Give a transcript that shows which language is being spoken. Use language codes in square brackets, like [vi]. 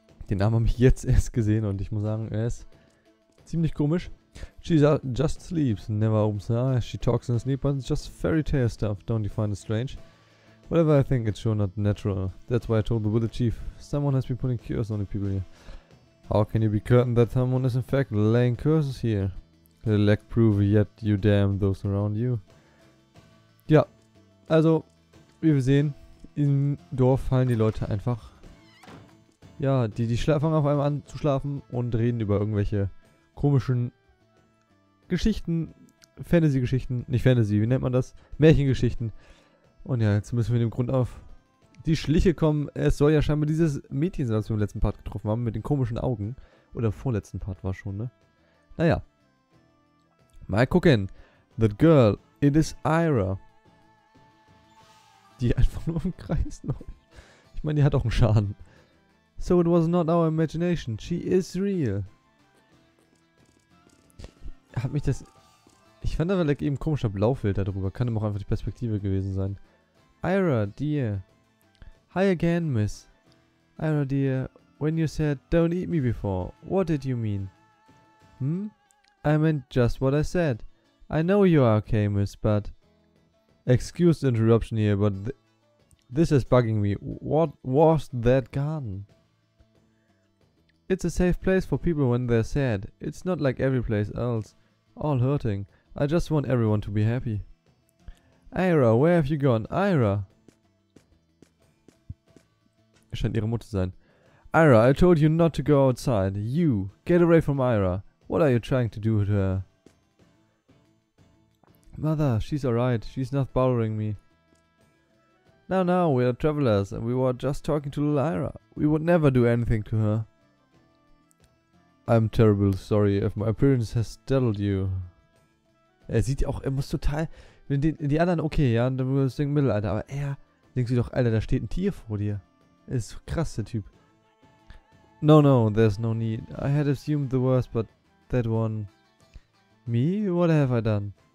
[de] Den Namen habe ich jetzt erst gesehen und ich muss sagen, er ist ziemlich komisch. [en] She just sleeps, never opens her eyes. She talks in her sleep, but it's just fairy tale stuff. Don't you find it strange? Whatever I think, it's sure not natural. That's why I told the village chief. Someone has been putting curses on the people here. How can you be certain that someone is in fact laying curses here? The lack proof yet you damn those around you. [de] Ja, also, wie wir sehen, im Dorf fallen die Leute einfach. Ja, die fangen auf einmal an zu schlafen und reden über irgendwelche komischen Geschichten. Fantasy-Geschichten, nicht Fantasy, wie nennt man das? Märchengeschichten. Und ja, jetzt müssen wir dem Grund auf die Schliche kommen. Es soll ja scheinbar dieses Mädchen sein, das wir im letzten Part getroffen haben, mit den komischen Augen. Oder im vorletzten Part war schon, ne? Naja. Mal gucken. [en] The girl, it is Ira. [de] Die einfach nur im Kreis noch. Ich meine, die hat auch einen Schaden. [en] So it was not our imagination. She is real. [de] Hat mich das. Ich fand aber like, eben komischer Blaufilter darüber. Kann immer auch einfach die Perspektive gewesen sein. [en] Ira, dear. Hi again, miss. Ira, dear. When you said don't eat me before, what did you mean? Hm? I meant just what I said. I know you are okay, miss, but... Excuse the interruption here, but... this is bugging me. What was that garden? It's a safe place for people when they're sad. It's not like every place else. All hurting. I just want everyone to be happy. Ira, where have you gone? Ira! [de] Scheint ihre Mutter sein. [en] Ira, I told you not to go outside. You, get away from Ira. What are you trying to do to her? Mother, she's alright. She's not bothering me. Now, now, we are travelers and we were just talking to little Ira. We would never do anything to her. I'm terrible sorry if my appearance has startled you. [de] Er sieht ja auch, er muss total... Die anderen, okay, ja, dann würde ich denken, Mittelalter, aber er... Denkst du doch, Alter, da steht ein Tier vor dir. Er ist krass, der Typ. [en] No, no, there's no need. I had assumed the worst, but... That one. Me? What have I done?